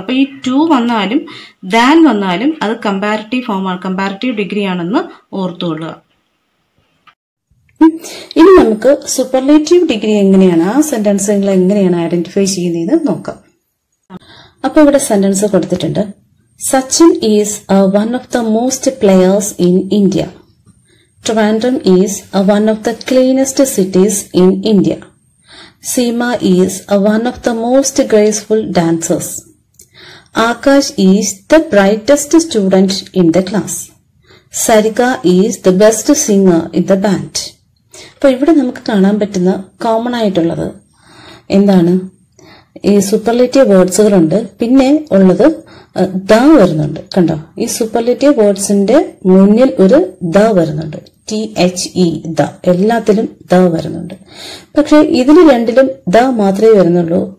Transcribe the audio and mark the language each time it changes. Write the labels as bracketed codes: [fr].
[ml] അപ്പോൾ ഈ ടു വന്നാലും ദാൻ വന്നാലും അത് കമ്പാരറ്റീവ് ഫോമാണ്, കമ്പാരറ്റീവ് ഡിഗ്രിയാണെന്ന് ഓർത്തുകൊള്ളുക. ഇനി നമുക്ക് സൂപ്പർലേറ്റീവ് ഡിഗ്രി എങ്ങനെയാണ്, ആ സെന്റൻസുകൾ എങ്ങനെയാണ് ഐഡന്റിഫൈ ചെയ്യുന്നതെന്ന് നോക്കാം. അപ്പോൾ ഇവിടെ സെന്റൻസ് കൊടുത്തിട്ടുണ്ട്, [en] Sachin is one of the most players in India. Trivandrum is one of the cleanest cities in India. Seema is one of the most graceful dancers. Akash is the brightest student in the class. Sarika is the best singer in the band. [ml] അപ്പോൾ ഇവിടെ നമുക്ക് കാണാൻ പറ്റുന്ന common ആയിട്ടുള്ളത് എന്താണ്? ഈ superlative വേർഡ്സുകളുണ്ട്, പിന്നെ ഉള്ളത് ദ വരുന്നുണ്ട്. കണ്ടോ, ഈ സൂപ്പർലേറ്റീവ് വേർഡ്സിന്റെ മുന്നിൽ ഒരു ദ വരുന്നുണ്ട്. ടി എച്ച് ഇ ദ, എല്ലാത്തിലും ദ വരുന്നുണ്ട്. പക്ഷെ ഇതിന് രണ്ടിലും ദ മാത്രമേ വരുന്നുള്ളൂ.